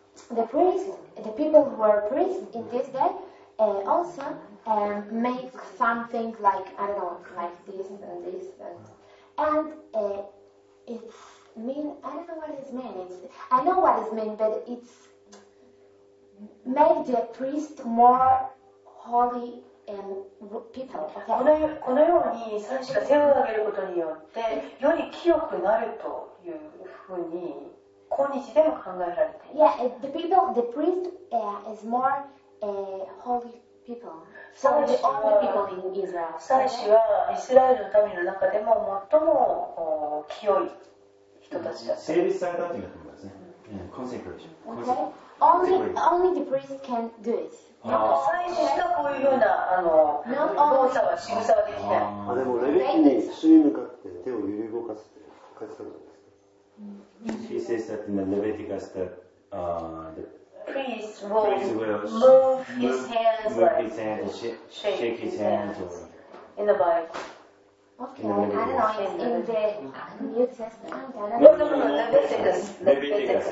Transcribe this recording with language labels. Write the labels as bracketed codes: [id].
[en] the priests, the people who were priests in this day, also make some things like, I don't know, like this and this. And it's mean, I don't know what it means. It's, I know what it means, but it's make the priest more holy and people. Okay? [ja] このように三種が手を挙げることによって、より清くなるというふうに、今日でも考えられています [en] Yeah, the people, the priest is more holy people. So the only people in Israel. [ja] 祭司はイスラエルの民の中でも最も清い人たちだ。聖別されたというところですね。 [en] Consecration. Okay. Only the priest can do it. [ja] 祭司しかこういうような動作は仕草はできない。あ、でもレビ人に主に向かって手を揺り動かすって書いてある。 [en] He says that in the Leviticus that the priest will, move his hands, shake his hands, in the Bible. Okay, in the I don't know, it's in the New Testament. No, Leviticus.